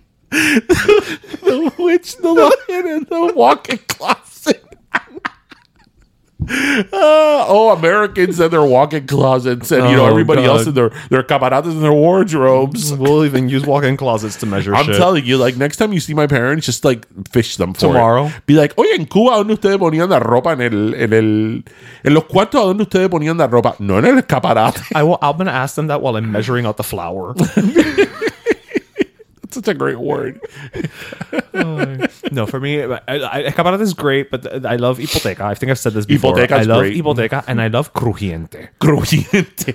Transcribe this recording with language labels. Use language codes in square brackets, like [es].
[en] The witch, the lion, and the walk-in closet. Oh, Americans and their walk-in closets, and you know, everybody else in their camaradas and their wardrobes. We'll even use walk-in closets to measure. I'm telling you, like, next time you see my parents, just like fish them for tomorrow. It. [es] Be like, oye, en Cuba, ¿dónde ustedes ponían la ropa en los cuartos? ¿Dónde ustedes ponían la ropa? No en el camarada. [en] I'm gonna ask them that while I'm measuring out the flour. Such a great word. No, for me, escaparate is great, but I love hipoteca. I think I've said this before. [es] Hipoteca [en] is great. I love hipoteca, and I love crujiente. [es] Crujiente.